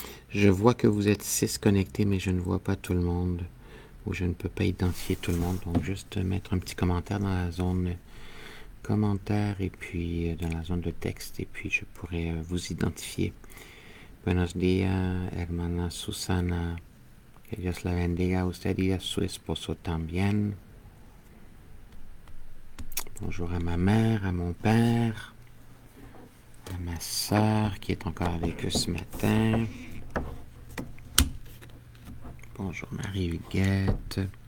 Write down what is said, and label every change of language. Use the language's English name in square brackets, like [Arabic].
[French] Je vois que vous êtes six connectés, mais je ne vois pas tout le monde, ou je ne peux pas identifier tout le monde. Donc, juste mettre un petit commentaire dans la zone commentaire et puis dans la zone de texte, et puis je pourrai vous identifier. [Spanish] Buenos días, hermana Susana. Que Dios la bendiga a usted y a su esposo también. [French] Bonjour à ma mère, à mon père, à ma soeur qui est encore avec eux ce matin. Bonjour Marie-Huguette.